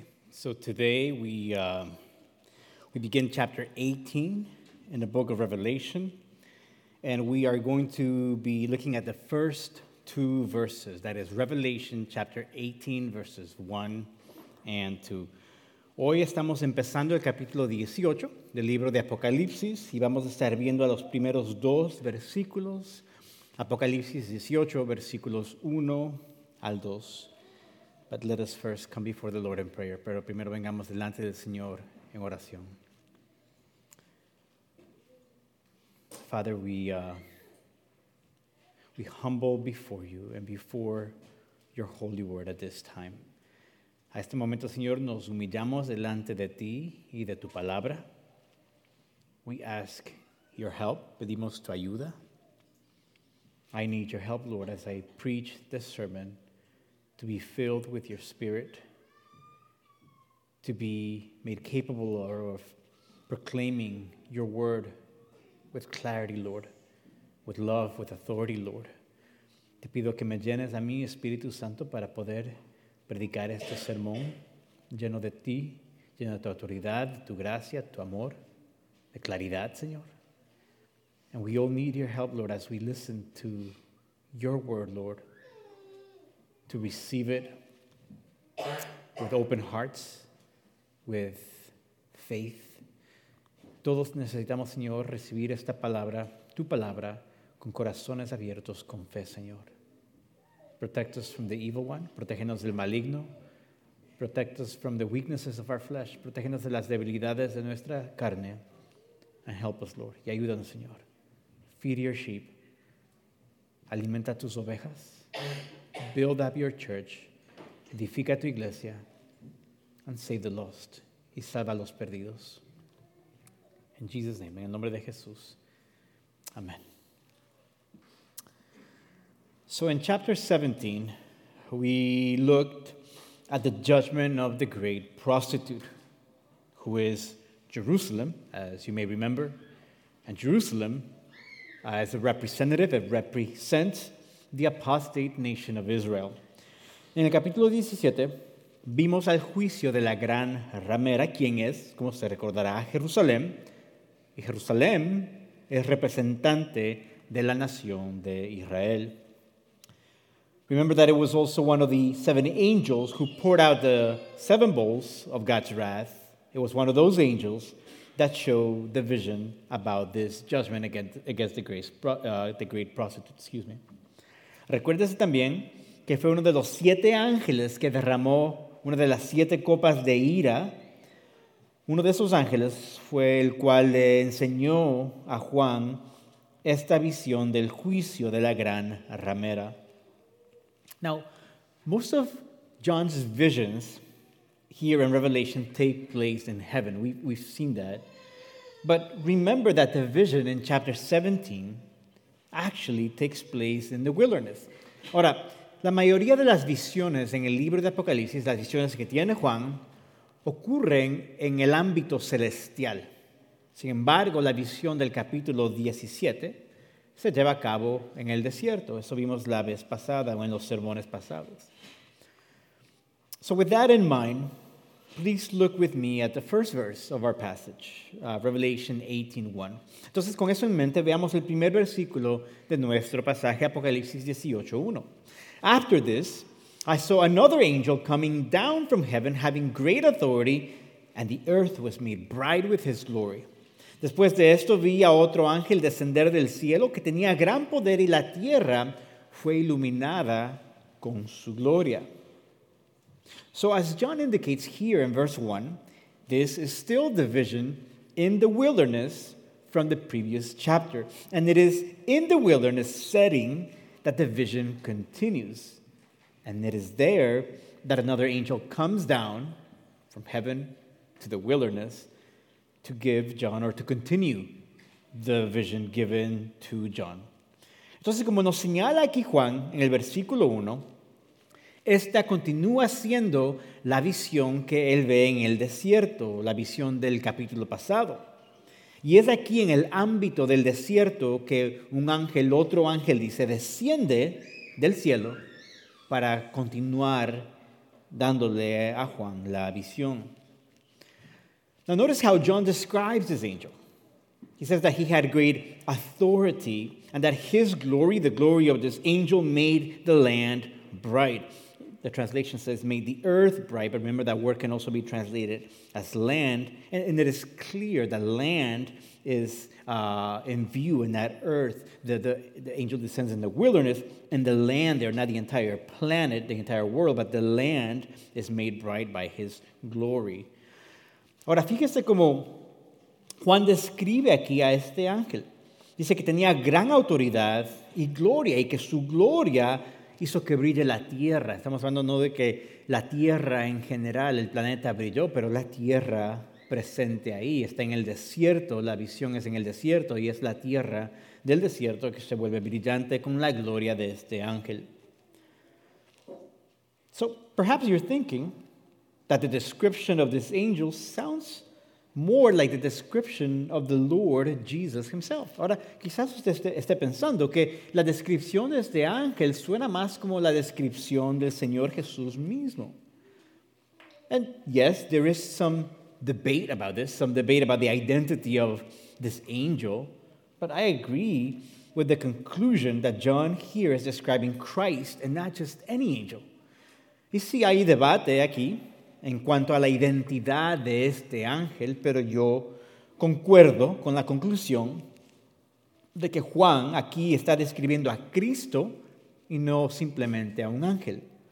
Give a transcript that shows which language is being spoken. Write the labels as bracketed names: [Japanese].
[English] So today we begin chapter 18 in the book of Revelation, and we are going to be looking at the first two verses, that is Revelation chapter 18, verses 1 and 2. [Spanish] Hoy estamos empezando el capítulo 18 del libro de Apocalipsis, y vamos a estar viendo a los primeros dos versículos, Apocalipsis 18, versículos 1 al 2. [English] But let us first come before the Lord in prayer. [Spanish] Pero primero vengamos delante del Señor en oración. [English] Father, we humble before you and before your holy word at this time. [Spanish] A este momento, Señor, nos humillamos delante de ti y de tu palabra. [English] We ask your help. [Spanish] Pedimos tu ayuda. [English] I need your help, Lord, as I preach this sermon, to be filled with your spirit, to be made capable, Lord, of proclaiming your word with clarity, Lord, with love, with authority, Lord. [Spanish] Te pido que me llenes a mí, Espíritu Santo, para poder predicar este sermón lleno de ti, lleno de tu autoridad, tu gracia, tu amor, de claridad, Señor. [English] And we all need your help, Lord, as we listen to your word, Lord, to receive it with open hearts, with faith. [Spanish] Todos necesitamos, Señor, recibir esta palabra, tu palabra, con corazones abiertos, con fe, Señor. [English] Protect us from the evil one. [Spanish] Protégenos del maligno. [English] Protect us from the weaknesses of our flesh. [Spanish] Protégenos de las debilidades de nuestra carne. [English] And help us, Lord. [Spanish] Y ayúdanos, Señor. [English] Feed your sheep. [Spanish] Alimenta tus ovejas. [English] Build up your church, [Spanish] edifica tu iglesia, [English] and save the lost, [Spanish] y salva a los perdidos. [English] In Jesus' name, [Spanish] en el nombre de Jesús. [English] Amen. So in chapter 17, we looked at the judgment of the great prostitute, who is Jerusalem, as you may remember. And Jerusalem, as a representative, it represents the apostate nation of Israel. [Spanish] En el capítulo 17, vimos al juicio de la gran ramera, quien es, como se recordará, Jerusalén. Y Jerusalén es representante de la nación de Israel. [English] Remember that it was also one of the seven angels who poured out the seven bowls of God's wrath. It was one of those angels that showed the vision about this judgment against the great prostitute. Excuse me. [Spanish] Recuérdese también que fue uno de los siete ángeles que derramó una de las siete copas de ira. Uno de esos ángeles fue el cual le enseñó a Juan esta visión del juicio de la gran ramera. [English] Now, most of John's visions here in Revelation take place in heaven. We've seen that. But remember that the vision in chapter 17 actually takes place in the wilderness. [Spanish] Ahora, la mayoría de las visiones en el libro de Apocalipsis, las visiones que tiene Juan, ocurren en el ámbito celestial. Sin embargo, la visión del capítulo 17 se lleva a cabo en el desierto. Eso vimos la vez pasada o en los sermones pasados. [English] So with that in mind, please look with me at the first verse of our passage, Revelation 18:1. [Spanish] Entonces, con eso en mente, veamos el primer versículo de nuestro pasaje, Apocalipsis 18:1. [English] After this, I saw another angel coming down from heaven, having great authority, and the earth was made bright with his glory. [Spanish] Después de esto, vi a otro ángel descender del cielo que tenía gran poder, y la tierra fue iluminada con su gloria. [English] So as John indicates here in verse 1, this is still the vision in the wilderness from the previous chapter. And it is in the wilderness setting that the vision continues. And it is there that another angel comes down from heaven to the wilderness to give John, or to continue the vision given to John. [Spanish] Entonces, como nos señala aquí Juan en el versículo 1, esta continúa siendo la visión que él ve en el desierto, la visión del capítulo pasado. Y es aquí en el ámbito del desierto que un ángel, otro ángel, dice, desciende del cielo para continuar dándole a Juan la visión. [English] Now notice how John describes this angel. He says that he had great authority and that his glory, the glory of this angel, made the land bright. The translation says made the earth bright, but remember that word can also be translated as land. And it is clear that land is in view in that earth. The angel descends in the wilderness and the land there, not the entire planet, the entire world, but the land is made bright by his glory. [Spanish] Ahora, fíjese cómo Juan describe aquí a este ángel. Dice que tenía gran autoridad y gloria, y que su gloria hizo que brille la tierra. Estamos hablando no de que la tierra en general, el planeta brilló, pero la tierra presente ahí está en el desierto. La visión es en el desierto y es la tierra del desierto que se vuelve brillante con la gloria de este ángel. [English] So, perhaps you're thinking that the description of this angel sounds more like the description of the Lord Jesus himself. [Spanish] Ahora, quizás usted esté pensando que la descripción de este ángel suena más como la descripción del Señor Jesús mismo. [English] And yes, there is some debate about this, some debate about the identity of this angel, but I agree with the conclusion that John here is describing Christ and not just any angel. [Spanish] Y sí, hay debate aquí en cuanto a la identidad de este ángel, pero yo concuerdo con la conclusión de que Juan aquí está describiendo a Cristo y no simplemente a un ángel.